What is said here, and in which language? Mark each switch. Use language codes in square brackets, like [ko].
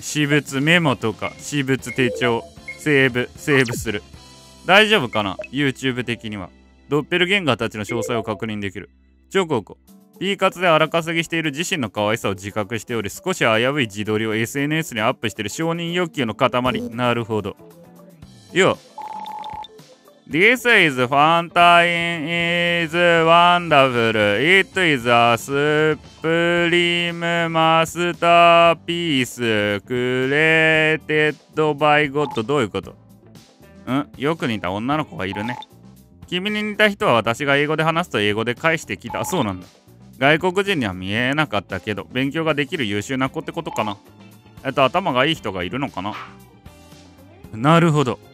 [ja] 私物、メモとか、私物手帳、セーブする。大丈夫かな？ YouTube 的には。ドッペルゲンガーたちの詳細を確認できる。チョココ。ピーカツで荒稼ぎしている自身の可愛さを自覚しており、少し危うい自撮りを SNS にアップしている承認欲求の塊。なるほど。よ。 [en] This is fun time is wonderful. It is a supreme masterpiece created by God. [ja] どういうこと？ん？よく似た女の子がいるね。君に似た人は私が英語で話すと英語で返してきた。そうなんだ。外国人には見えなかったけど、勉強ができる優秀な子ってことかな。頭がいい人がいるのかな。なるほど。